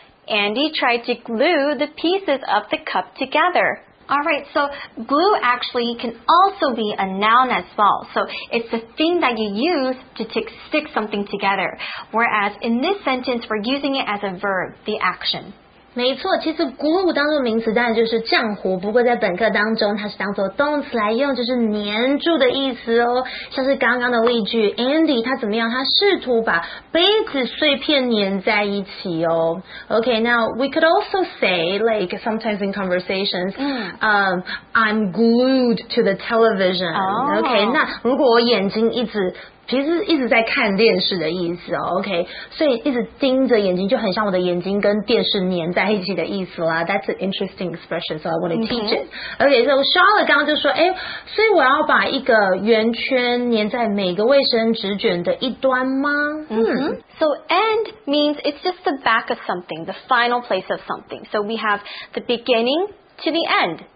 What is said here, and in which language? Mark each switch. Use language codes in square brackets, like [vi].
[en] Andy tried to glue the pieces of the cup together. Alright, so glue actually can also be a noun as well. So it's the thing that you use to stick something together. Whereas in this sentence, we're using it as a verb, the action. [zh] 没错，其实 glue 当作名词当然就是浆糊，不过在本课当中它是当作动词来用，就是粘住的意思哦。像是刚刚的例句 ，Andy 他怎么样？他试图把杯子碎片粘在一起哦。 [en] Okay, now we could also say like sometimes in conversations,、 mm. I'm glued to the television.、 Oh. [zh] Okay, 那如果我眼睛一直其实一直在看电视的意思哦 ，OK， 所以一直盯着眼睛就很像我的眼睛跟电视粘在一起的意思啦。 [en] That's an interesting expression, so I want to teach it. Okay, so [zh] Charlotte 刚刚就说，哎，所以我要把一个圆圈粘在每个卫生纸卷的一端吗？嗯、mm-hmm. [en] ，So end means it's just the back of something, the final place of something. So we have the beginning to the end.